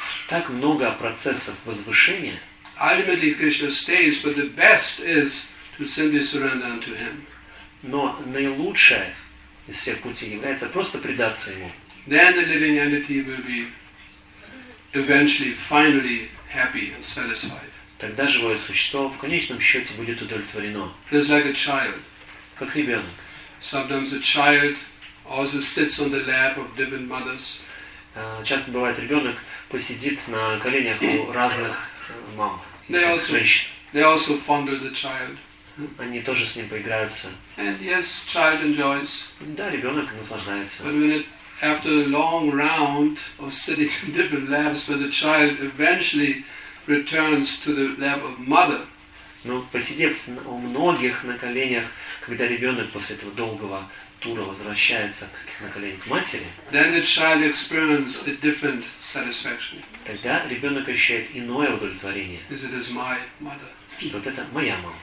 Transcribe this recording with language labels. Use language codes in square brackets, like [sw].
[ru] так много процессов возвышения, [en] ultimately Krishna stays, but the best is to simply surrender unto Him. [ru] Но наилучшее из всех путей является просто предаться Ему. [en] Then the living entity will be eventually, finally happy and satisfied. [ru] Тогда живое существо в конечном счете будет удовлетворено. [en] Just like a child. [ru] Как ребенок. [en] Sometimes a child also sits on the lap of different mothers. [ru] Часто бывает, ребенок посидит на коленях у разных мам. [en] They also fondle the child. [ru] Они тоже с ним поиграются. [en] And yes, child enjoys. [ru] Да, ребенок наслаждается. [en] But when it, after a long round of sitting in different laps, when the child eventually returns to the lap of mother. [ru] Но посидев у многих на коленях, когда ребенок после этого долгого тура возвращается на колени к матери, [en] then the child experiences a different satisfaction. [ru] Тогда ребенок ощущает иное удовлетворение. [en] Is it is my mother? [ru] Вот это моя мама.